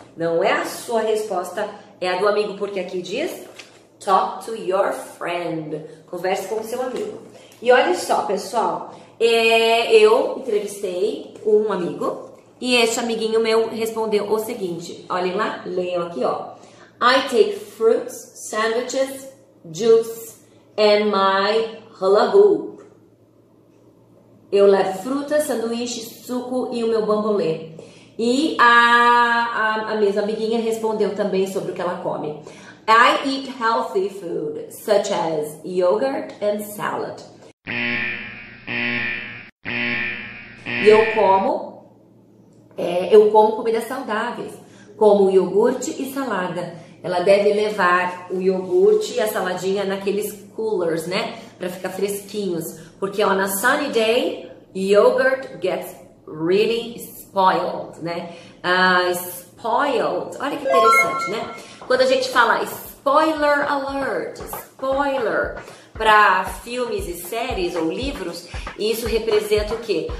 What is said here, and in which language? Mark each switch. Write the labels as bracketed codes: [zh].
[pt] Não é a sua resposta, é a do amigo, porque aqui diz [en] talk to your friend. [pt] Converse com o seu amigo. E olha só, pessoal, eu entrevistei um amigo e esse amiguinho meu respondeu o seguinte. Olhem lá, leiam aqui, ó. [en] I take fruits, sandwiches, juice and my hula hoop. [pt] Eu levo frutas, sanduíches, suco e o meu bambolê. E a mesma amiguinha respondeu também sobre o que ela come. [en] I eat healthy food, such as yogurt and salad. [pt] E eu como comidas saudáveis, como iogurte e salada. Ela deve levar o iogurte e a saladinha naqueles coolers, né? Pra ficar fresquinhos. Porque [en] on a sunny day, yogurt gets really spoiled, [pt] né? Spoiled, olha que interessante, né? Quando a gente fala spoiler alert, spoiler, para filmes e séries ou livros, isso representa o quê?